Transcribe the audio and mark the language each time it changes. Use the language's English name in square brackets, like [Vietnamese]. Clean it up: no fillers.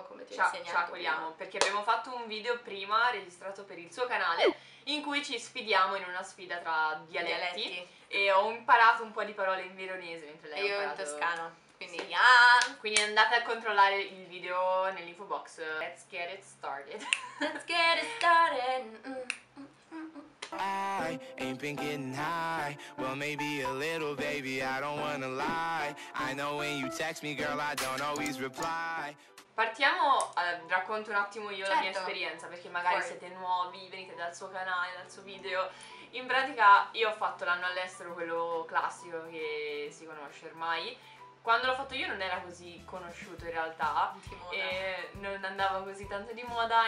[Italian] Ci accoliamo, perché abbiamo fatto un video prima registrato per il suo canale in cui ci sfidiamo in una sfida tra dialetti. E ho imparato un po' di parole in veronese mentre lei io ha imparato in toscano. Quindi, sì. Quindi andate a controllare il video nell'info box. [English] Let's get it started. Let's get it started. I ain't been getting high. Well, maybe a little, baby. I don't wanna lie. I know when you text me, girl, I don't always reply. [Italian] Partiamo, racconto un attimo io la mia esperienza, perché magari siete nuovi, venite dal suo canale, dal suo video. In pratica, io ho fatto l'anno all'estero, quello classico che si conosce ormai. Quando l'ho fatto io non era così conosciuto in realtà, e non andava così tanto di moda.